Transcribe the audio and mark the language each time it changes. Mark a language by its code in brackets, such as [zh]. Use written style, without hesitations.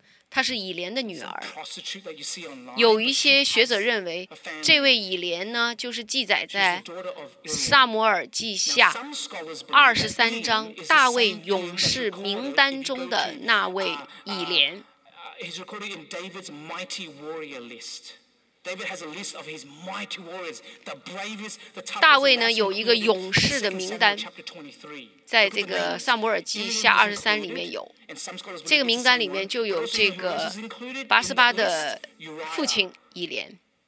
[zh] 她是以莲的女儿。有一些学者认为这位以莲呢就是记载在撒母耳记下23章大卫勇士名单中的那位以莲。 [en] He's recorded in David's mighty warrior list. David has a list of his mighty warriors, the bravest, the toughest. [zh] 大卫呢有一个勇士的名单，在这个撒母耳记下23里面有。这个名单里面就有这个拔示巴的父亲以莲。